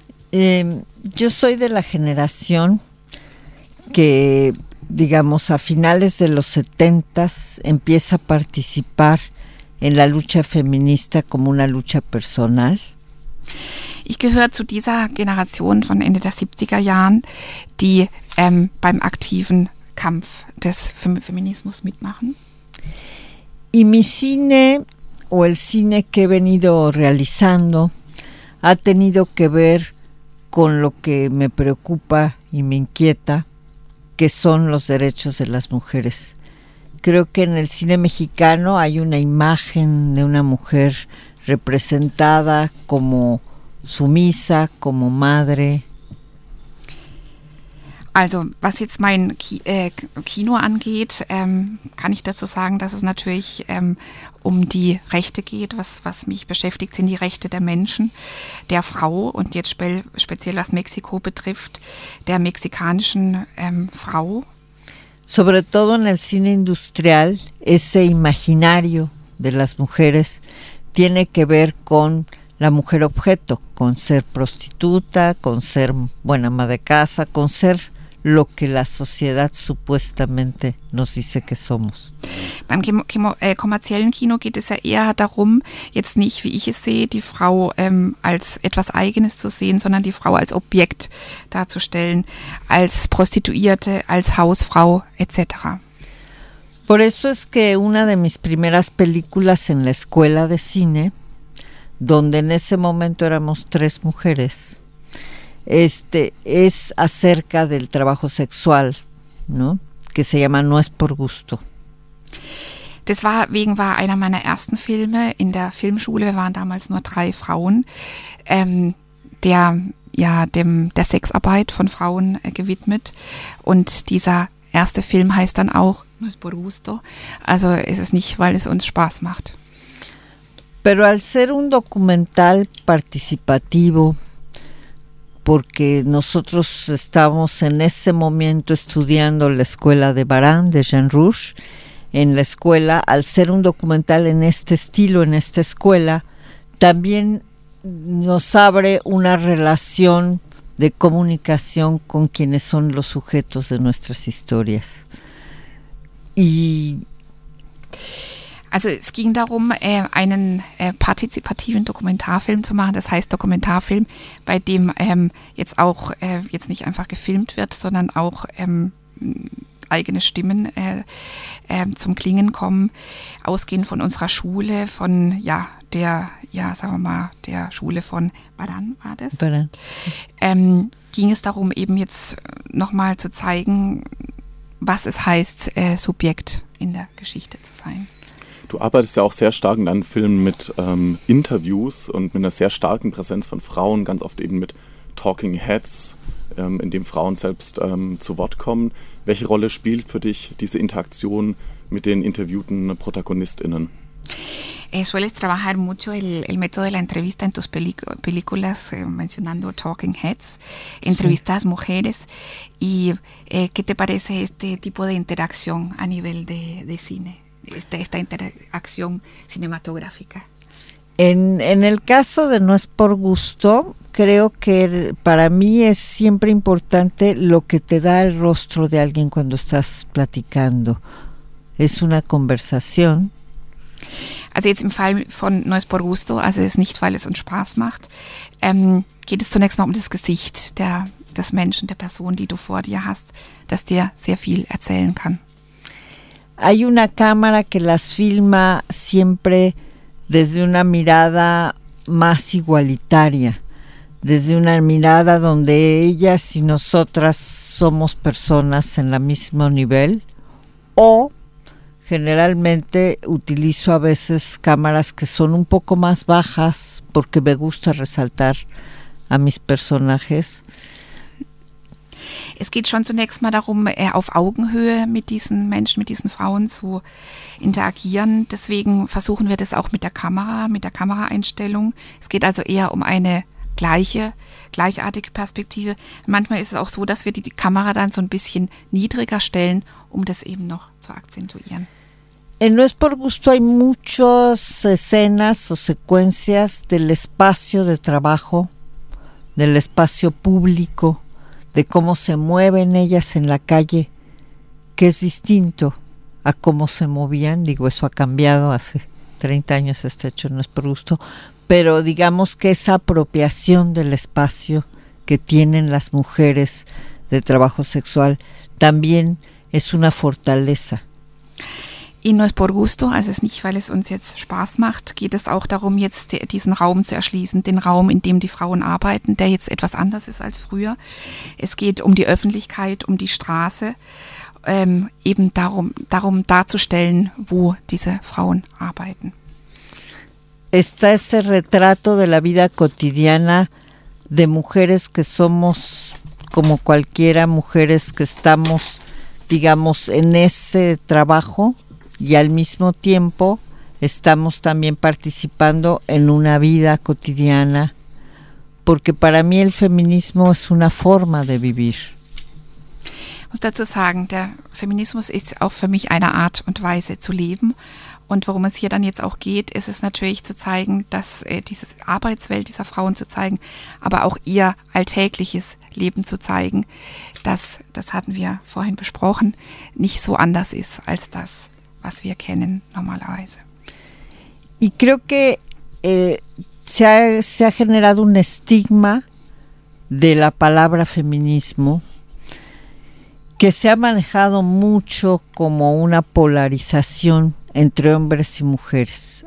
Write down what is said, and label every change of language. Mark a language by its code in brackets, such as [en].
[es] Yo soy de la generación que, digamos, a finales de los 70s empieza a participar en la lucha feminista como una lucha personal. [de] Ich gehöre zu dieser Generation von Ende der 70er Jahren, die beim aktiven Kampf des Feminismus mitmachen. [es] Y mi cine, o el cine que he venido realizando, ha tenido que ver con lo que me preocupa y me inquieta, que son los derechos de las mujeres. Creo que en el cine mexicano hay una imagen de una mujer representada como sumisa, como madre. [de] Also, was jetzt mein Kino angeht, kann ich dazu sagen, dass es natürlich um die Rechte geht. Was mich beschäftigt, sind die Rechte der Menschen, der Frau und jetzt speziell was Mexiko betrifft, der mexikanischen Frau. [es] Sobre todo en el cine industrial, ese imaginario de las mujeres tiene que ver con la mujer objeto, con ser prostituta, con ser buena ama de casa, con ser lo que la sociedad supuestamente nos dice que somos. [de] Beim kommerziellen Kino geht es ja eher darum, jetzt nicht, wie ich es sehe, die Frau als etwas Eigenes zu sehen, sondern die Frau als Objekt darzustellen, als Prostituierte, als Hausfrau etc. [es] Por eso es que una de mis primeras películas en la escuela de cine, donde en ese momento éramos tres mujeres, es acerca del trabajo sexual, ¿no? Que se llama No es por gusto. [de] Deswegen war einer meiner ersten Filme in der Filmschule, wir waren damals nur drei Frauen, der Sexarbeit von Frauen gewidmet. Und dieser erste Film heißt dann auch No es por gusto. Also es ist nicht, weil es uns Spaß macht. [es] Pero al ser un documental participativo, porque nosotros estábamos en ese momento estudiando la escuela de Barán, de Jean Rouge, en la escuela, al ser un documental en este estilo, en esta escuela, también nos abre una relación de comunicación con quienes son los sujetos de nuestras historias. Y... [de] Also es ging darum, einen partizipativen Dokumentarfilm zu machen, das heißt Dokumentarfilm, bei dem jetzt auch jetzt nicht einfach gefilmt wird, sondern auch eigene Stimmen zum Klingen kommen, ausgehend von unserer Schule, von der Schule von Baran war das. Baran. Ging es darum, eben jetzt nochmal zu zeigen, was es heißt, Subjekt in der Geschichte zu sein. Du arbeitest ja auch sehr stark in deinen Filmen mit Interviews und mit einer sehr starken Präsenz von Frauen, ganz oft eben mit Talking Heads, in dem Frauen selbst zu Wort kommen. Welche Rolle spielt für dich diese Interaktion mit den interviewten ProtagonistInnen? [es] Sueles trabajar mucho el método de la entrevista en tus películas, mencionando Talking Heads, entrevistas sí. Mujeres. Y ¿qué te parece este tipo de interacción a nivel de cine? Esta interacción cinematográfica. En el caso de No es por gusto, creo que para mí es siempre importante lo que te da el rostro de alguien cuando estás platicando. Es una conversación. [de] Also jetzt im Fall von No es por gusto, also es nicht, weil es uns Spaß macht, geht es zunächst mal um das Gesicht des Menschen, der Person, die du vor dir hast, das dir sehr viel erzählen kann. [es] Hay una cámara que las filma siempre desde una mirada más igualitaria, desde una mirada donde ellas y nosotras somos personas en el mismo nivel, o generalmente utilizo a veces cámaras que son un poco más bajas porque me gusta resaltar a mis personajes. [de] Es geht schon zunächst mal darum, auf Augenhöhe mit diesen Menschen, mit diesen Frauen zu interagieren. Deswegen versuchen wir das auch mit der Kamera, mit der Kameraeinstellung. Es geht also eher um eine gleichartige Perspektive. Manchmal ist es auch so, dass wir die Kamera dann so ein bisschen niedriger stellen, um das eben noch zu akzentuieren. [es] No es por gusto, hay muchas escenas o secuencias del espacio de trabajo, del espacio público, de cómo se mueven ellas en la calle, que es distinto a cómo se movían. Digo, eso ha cambiado hace 30 años, este hecho no es por gusto, pero digamos que esa apropiación del espacio que tienen las mujeres de trabajo sexual también es una fortaleza. [de] Y no es por gusto, also es nicht, weil es uns jetzt Spaß macht, geht es auch darum, jetzt diesen Raum zu erschließen, den Raum, in dem die Frauen arbeiten, der jetzt etwas anders ist als früher. Es geht um die Öffentlichkeit, um die Straße, eben darum darzustellen, wo diese Frauen arbeiten. [es] Está ese retrato de la vida cotidiana de mujeres que somos como cualquiera, mujeres que estamos, digamos, en ese trabajo. Y al mismo tiempo estamos también participando en una vida cotidiana, porque para mí el feminismo es una forma de vivir. [de] Muss dazu sagen, der Feminismus ist auch für mich eine Art und Weise zu leben. Und worum es hier dann jetzt auch geht, ist es natürlich zu zeigen, dass diese Arbeitswelt dieser Frauen zu zeigen, aber auch ihr alltägliches Leben zu zeigen, das hatten wir vorhin besprochen, nicht so anders ist als das, was wir kennen normalerweise. [es] Y creo que se ha generado un estigma de la palabra feminismo que se ha manejado mucho como una polarización entre hombres y mujeres.